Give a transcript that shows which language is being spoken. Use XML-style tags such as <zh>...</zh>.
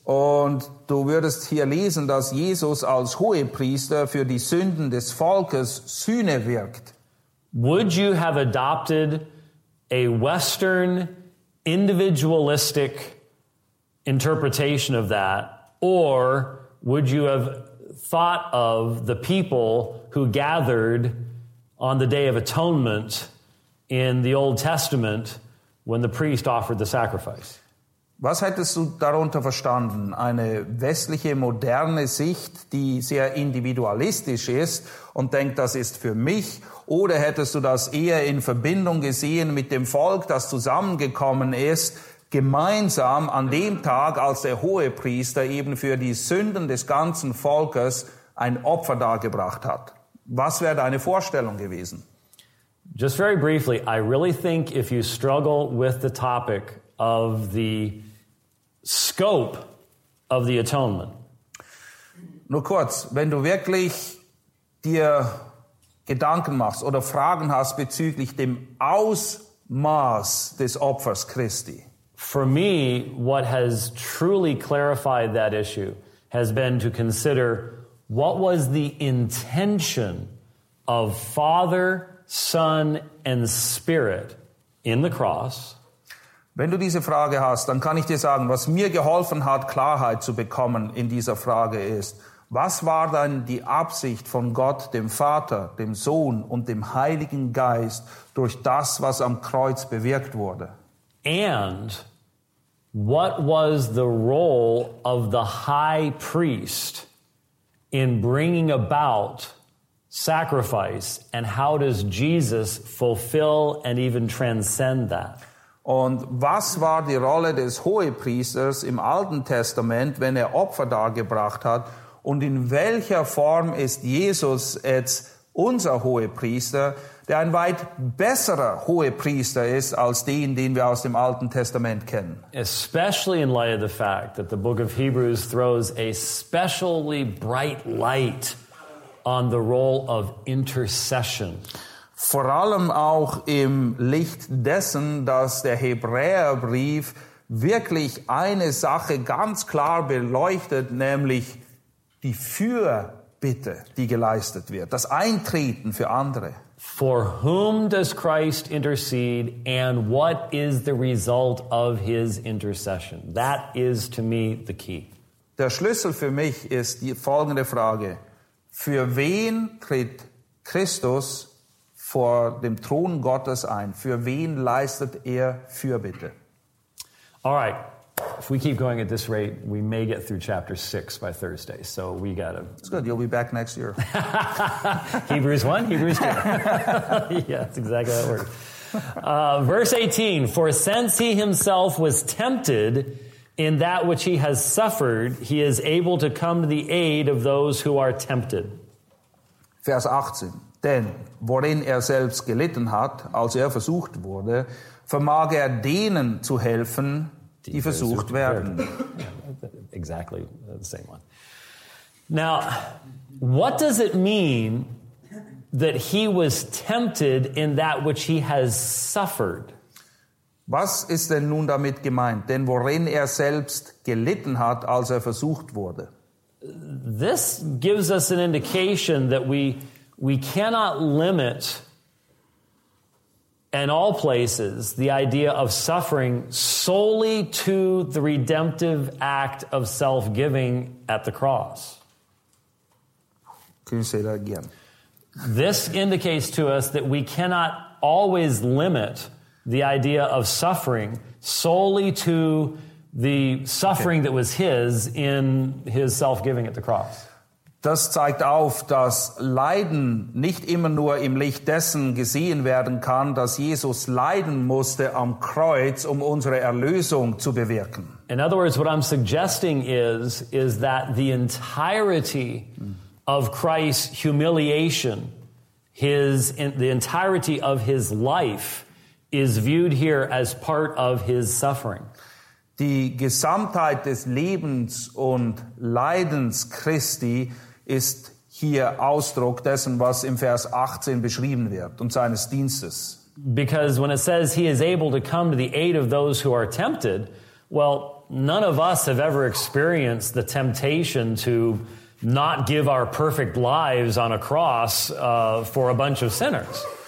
<de>Und du würdest hier lesen, dass Jesus als Hohepriester für die Sünden des Volkes Sühne wirkt.</de> <en>Would you have adopted a Western individualistic interpretation of that, or would you have thought of the people who gathered on the Day of Atonement in the Old Testament when the priest offered the sacrifice?</en> <de>Was hättest du darunter verstanden? Eine westliche, moderne Sicht, die sehr individualistisch ist und denkt, das ist für mich? Oder hättest du das eher in Verbindung gesehen mit dem Volk, das zusammengekommen ist, gemeinsam an dem Tag, als der Hohepriester eben für die Sünden des ganzen Volkes ein Opfer dargebracht hat? Was wäre deine Vorstellung gewesen?</de> <en>Just very briefly, I really think if you struggle with the topic of the scope of the atonement.</en> <de>Nur kurz, wenn du wirklich dir Gedanken machst oder Fragen hast bezüglich dem Ausmaß des Opfers Christi.</de> <en>For me, what has truly clarified that issue has been to consider what was the intention of Father, Son and Spirit in the cross.</en> <de>Wenn du diese Frage hast, dann kann ich dir sagen, was mir geholfen hat, Klarheit zu bekommen in dieser Frage ist, was war dann die Absicht von Gott, dem Vater, dem Sohn und dem Heiligen Geist durch das, was am Kreuz bewirkt wurde?</de> <en>And what was the role of the high priest in bringing about sacrifice, and how does Jesus fulfill and even transcend that?</en> <de>Und was war die Rolle des Hohepriesters im Alten Testament, wenn er Opfer dargebracht hat? Und in welcher Form ist Jesus jetzt unser Hohepriester, der ein weit besserer Hohepriester ist als den wir aus dem Alten Testament kennen?</de> <en>Especially in light of the fact that the book of Hebrews throws a specially bright light on the role of intercession.</en> <de>Vor allem auch im Licht dessen, dass der Hebräerbrief wirklich eine Sache ganz klar beleuchtet, nämlich die Fürbitte, die geleistet wird, das Eintreten für andere.</de> <en>For whom does Christ intercede and what is the result of his intercession? That is to me the key.</en> <de>Der Schlüssel für mich ist die folgende Frage: Für wen tritt Christus vor dem Thron Gottes ein? Für wen leistet er Fürbitte?</de> <en>All right. If we keep going at this rate, we may get through chapter 6 by Thursday. So we got to... It's good. You'll be back next year. Hebrews 1, Hebrews 2. Yeah, that's exactly how it works. Verse 18. For since he himself was tempted in that which he has suffered, he is able to come to the aid of those who are tempted.</en> <de>Vers 18. Denn worin er selbst gelitten hat, als er versucht wurde, vermag er denen zu helfen, die versucht werden.</de> <en>Exactly the same one. Now, what does it mean that he was tempted in that which he has suffered?</en> <de>Was ist denn nun damit gemeint? Denn worin er selbst gelitten hat, als er versucht wurde.</de> <en>This gives us an indication that we cannot limit in all places the idea of suffering solely to the redemptive act of self-giving at the cross. Can you say that again? This indicates to us that we cannot always limit the idea of suffering solely to the suffering that was his in his self-giving at the cross.</en> <de>Das zeigt auf, dass Leiden nicht immer nur im Licht dessen gesehen werden kann, dass Jesus leiden musste am Kreuz, um unsere Erlösung zu bewirken.</de> <en>In other words, what I'm suggesting is that the entirety of Christ's humiliation, the entirety of his life, is viewed here as part of his suffering.</en> <de>Die Gesamtheit des Lebens und Leidens Christi ist hier Ausdruck dessen, was im Vers 18 beschrieben wird und seines Dienstes.</de> <en>Because when it says he is able to come to the aid of those who are tempted, well, none of us have ever experienced the temptation to not give our perfect lives on a cross for a bunch of sinners.</en>